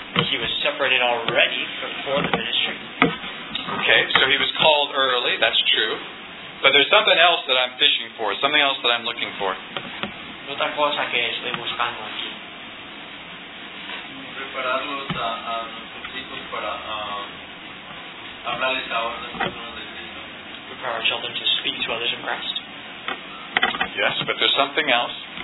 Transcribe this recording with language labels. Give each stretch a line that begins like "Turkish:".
English: He was separated already before the ministry. Okay, so he was called early, that's true. But there's something else that I'm fishing for, something else that I'm looking for.
Spanish: Otra cosa que estoy buscando aquí. Prepararlos a nuestros hijos para hablarles a otros de Cristo.
English: Prepare our children to speak to others in Christ. Yes, but there's something else.